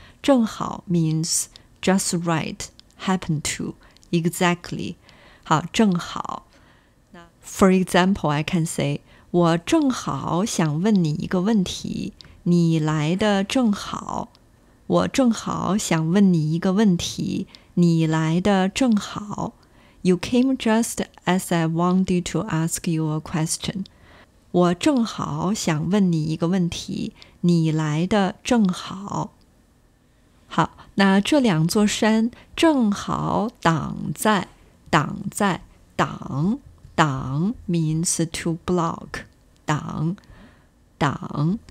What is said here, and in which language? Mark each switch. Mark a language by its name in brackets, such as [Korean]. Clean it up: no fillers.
[English] 正好 means just right, happen to, exactly. [Chinese] 好，正好。 [English] For example, I can say, [Chinese] 我正好想问你一个问题，你来的正好。我正好想问你一个问题，你来的正好。 [English] You came just as I wanted to ask you a question. [Chinese] 我正好想问你一个问题，你来的正好。好，那这两座山正好挡 [English] means to block, [Chinese] 挡。